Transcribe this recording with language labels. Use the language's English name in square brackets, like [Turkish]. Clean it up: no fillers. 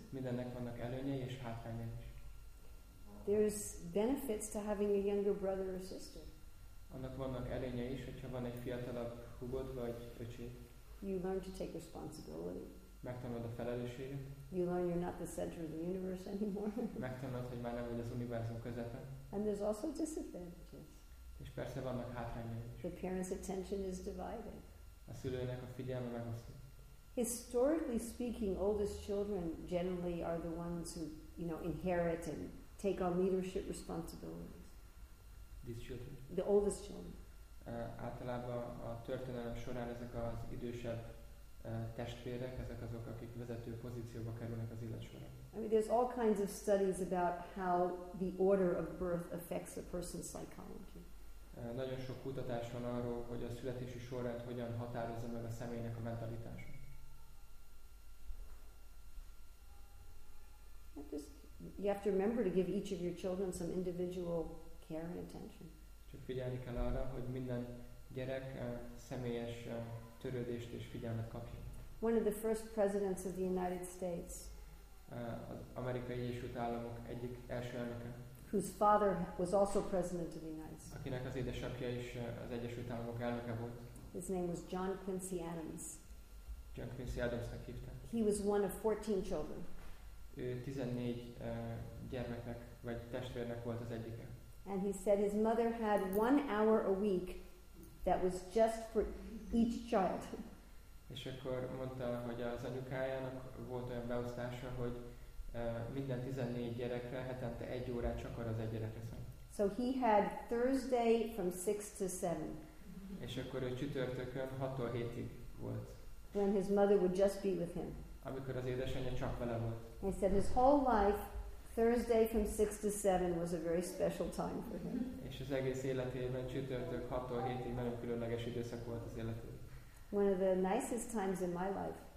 [Hungarian] Mindennek vannak előnyei és hátrányai is. [English] There's benefits to having a younger brother or sister. [Hungarian] Annak vannak előnyei is, hogyha van egy fiatalabb húgod vagy öcséd. [English] You learn to take responsibility. [Hungarian] Megtanulod a felelősséget. [English] You learn you're not the center of the universe anymore. [Hungarian] Megtanulod, hogy már nem vagy az univerzum közepe. [English] And there's also disadvantages. [Hungarian] És persze vannak hátrányai is. [English] The parent's attention is divided. [Hungarian] A szülőnek a figyelme megosztott. [English] Historically speaking, oldest children generally are the ones who, you know, inherit and take on leadership responsibilities. These children. The oldest children. [Hungarian] Általában a történelem során ezek az idősebb testvérek, ezek azok, akik vezető pozícióba kerülnek az élet során. [English] I mean, there's all kinds of studies about how the order of birth affects a person's psychology. [Hungarian] Nagyon sok kutatás van arról, hogy a születési sorrend hogyan határozza meg a személynek a mentalitása. [English] You have to remember to give each of your children some individual care and attention. [Hungarian] Csak figyelni kell arra, hogy minden gyerek személyes törődést és figyelmet kapjon. [English] One of the first presidents of the United States. [Hungarian] Az Amerikai Egyesült Államok egyik első elnöke. [English] Whose father was also president of the United States. [Hungarian] Akinek az édesapja is az Egyesült Államok elnöke volt. [English] His name was John Quincy Adams. [Hungarian] John Quincy Adamsnak hívták. [English] He was one of 14 children. [Hungarian] Ő 14 gyermeknek vagy testvérnek volt az egyike. [English] And he said his mother had 1 hour a week that was just for each child. [Hungarian] És akkor mondta, hogy az anyukájának volt olyan beosztása, hogy minden 14 gyerekre hetente egy órát csak arra az egy gyerekre szánt. [English] So he had Thursday from 6 to 7. [Hungarian] És akkor ő csütörtökön 6-tól 7-ig volt. [English] When his mother would just be with him. [Hungarian] Amikor az édesanyja csak vele volt. [English] He said his whole life Thursday from 6 to 7 was a very special time for him. [Hungarian] És az egész életében csütörtök 6-tól 7-ig nagyon különleges időszak volt az életében. [English] One of the nicest times in my life.